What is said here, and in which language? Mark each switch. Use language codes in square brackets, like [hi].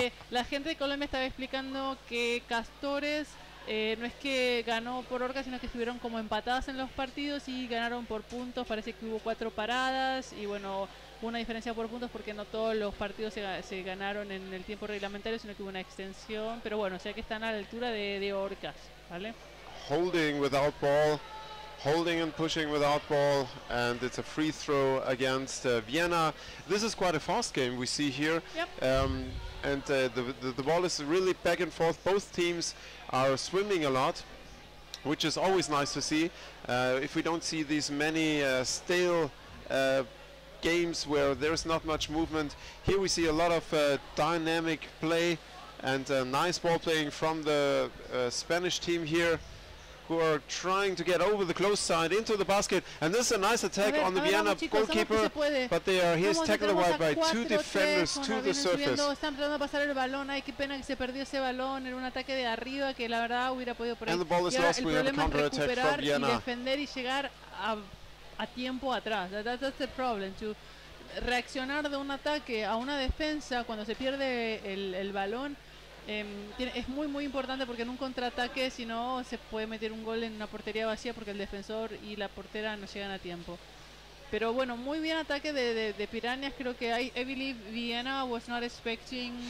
[es] la gente de Colombia estaba explicando que Castores no es que ganó por orca, sino que estuvieron como empatadas en los partidos y ganaron por puntos. Parece que hubo cuatro paradas y bueno, una diferencia por puntos porque no todos los partidos se ganaron en el tiempo reglamentario, sino que hubo una extensión, pero bueno, o sea que están a la altura de orcas, ¿vale? [en] Holding without ball, holding and pushing without ball, and it's a free throw against Vienna. This is quite a fast game we see here. Yep. And the ball is really back and forth. Both teams are swimming a lot, which is always nice to see. If we don't see these many stale games where there is not much movement. Here we see a lot of dynamic play and nice ball playing from the Spanish team here, who are trying to get over the close side into the basket. And this is a nice attack on the Vienna goalkeeper, but he is tackled away by two defenders to the surface. [es] Están tratando de pasar el balón. Ay, qué pena que se perdió ese balón en un ataque de arriba que la verdad hubiera podido por ahí. [en] And the ball is lost. We have a counter attack from Vienna. [es] Y defender y llegar a tiempo atrás. [en] That's the problem, to [es] reaccionar de un ataque a una defensa cuando se pierde el balón. Es muy muy importante, porque en un contraataque, si no, se puede meter un gol en una portería vacía porque el defensor y la portera no llegan a tiempo. Pero bueno, muy bien ataque de Pirañas. Creo que [en] I believe Vienna was not expecting